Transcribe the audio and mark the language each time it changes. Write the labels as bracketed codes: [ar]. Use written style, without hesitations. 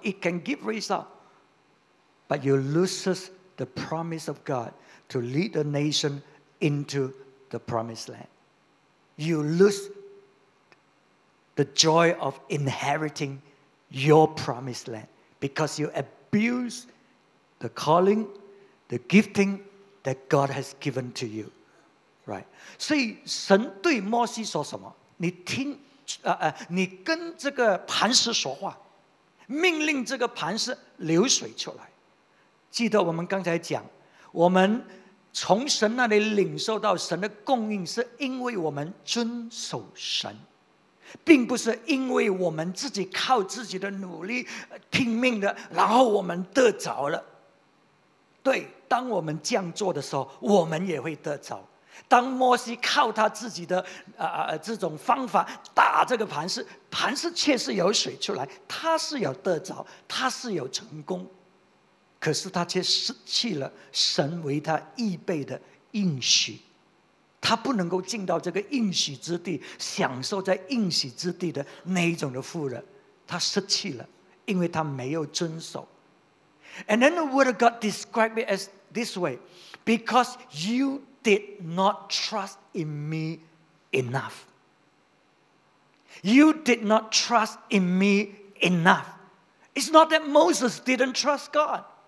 [en] It can give result. But you lose the promise of God to lead the nation into the promised land. You lose the joy of inheriting your promised land, because you abuse the calling, the gifting that God has given to you. [zh] Right? 所以神对摩西说什么？你听，你跟这个磐石说话，命令这个磐石流水出来。记得我们刚才讲，我们从神那里领受到神的供应，是因为我们遵守神，并不是因为我们自己靠自己的努力拼命的，然后我们得着了。对，当我们这样做的时候，我们也会得着。当摩西靠他自己的这种方法打这个磐石，磐石确实有水出来，他是有得着，他是有成功，可是他却失去了神为他预备的应许，他不能够进到这个应许之地，享受在应许之地的那一种的富人，他失去了，因为他没有遵守。 [en] And then the word of God described it as this way, because you did not trust in me enough. You did not trust in me enough. It's not that Moses didn't trust God.